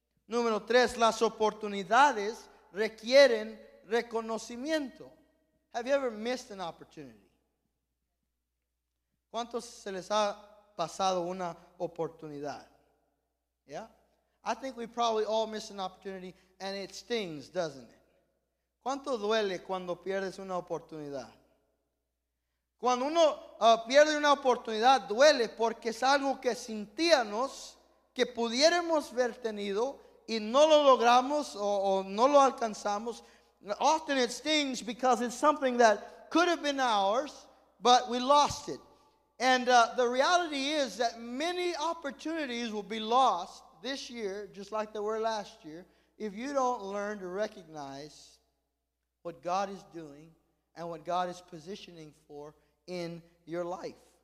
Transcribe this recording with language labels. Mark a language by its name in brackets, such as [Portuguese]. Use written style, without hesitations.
[Spanish] Número tres, las oportunidades requieren reconocimiento. [English] Have you ever missed an opportunity? [Spanish] ¿Cuántos se les ha pasado una oportunidad? Yeah? [English] I think we probably all miss an opportunity and it stings, doesn't it? [Spanish] ¿Cuánto duele cuando pierdes una oportunidad? Cuando uno pierde una oportunidad, duele porque es algo que sentíamos que pudiéramos haber tenido y no lo logramos o no lo alcanzamos. [English] Often it stings because it's something that could have been ours, but we lost it. And the reality is that many opportunities will be lost this year, just like they were last year, if you don't learn to recognize what God is doing and what God is positioning for in your life.